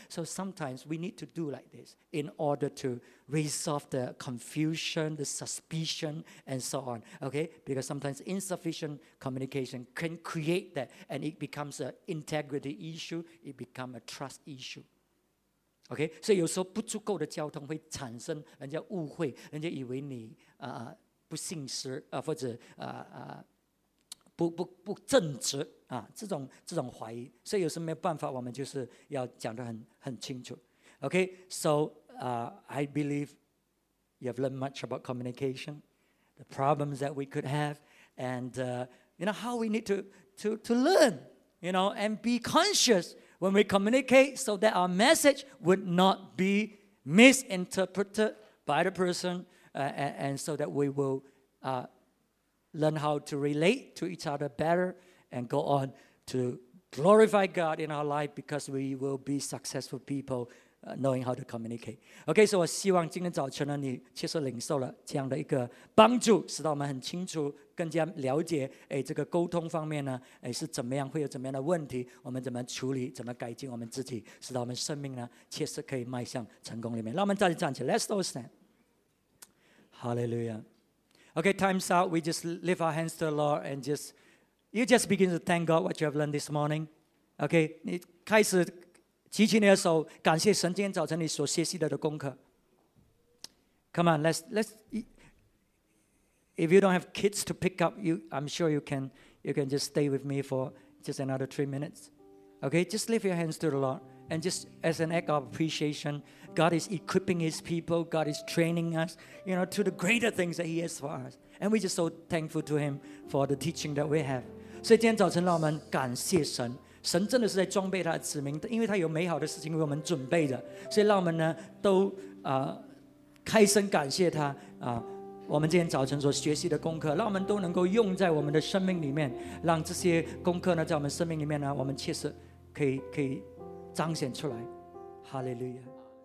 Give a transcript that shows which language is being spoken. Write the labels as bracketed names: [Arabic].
[English] So sometimes we need to do like this in order to resolve the confusion, the suspicion, and so on. Okay? Because sometimes insufficient communication can create that, and it becomes an integrity issue, it becomes a trust issue. [Chinese] Okay, 所以有时候不足够的交通会产生人家误会，人家以为你不信实，或者不正直啊，这种怀疑。所以有时没办法，我们就是要讲得很清楚。 [English] Okay, so I believe you have learned much about communication, the problems that we could have, and you know how we need to learn, you know, and be conscious when we communicate so that our message would not be misinterpreted by the person, and so that we will learn how to relate to each other better and go on to glorify God in our life because we will be successful people knowing how to communicate. Okay, so [Chinese] 我希望今天早晨呢，你确实领受了这样的一个帮助，使到我们很清楚，更加了解，哎，这个沟通方面呢，哎，是怎么样，会有怎么样的问题，我们怎么处理，怎么改进我们自己，使到我们生命呢，确实可以迈向成功里面。让我们再次站起， [English] Let's all stand. Hallelujah. Okay, time's out. We just lift our hands to the Lord and you just begin to thank God what you have learned this morning. [Chinese] Okay, 你开始。举起你的手，感谢神今天早晨你所学习的功课。 [English] Come on, let's. If you don't have kids to pick up, I'm sure you can just stay with me for just another 3 minutes. Okay, just lift your hands to the Lord and just as an act of appreciation, God is equipping His people. God is training us, you know, to the greater things that He has for us. And we're just so thankful to Him for the teaching that we have. [Chinese] 所以今天早晨让我们感谢神。神真的是在装备他的子民，因为他有美好的事情为我们准备的，所以让我们呢都开声感谢他我们今天早晨所学习的功课，让我们都能够用在我们的生命里面，让这些功课呢在我们生命里面呢，我们确实可以彰显出来。哈利路亚。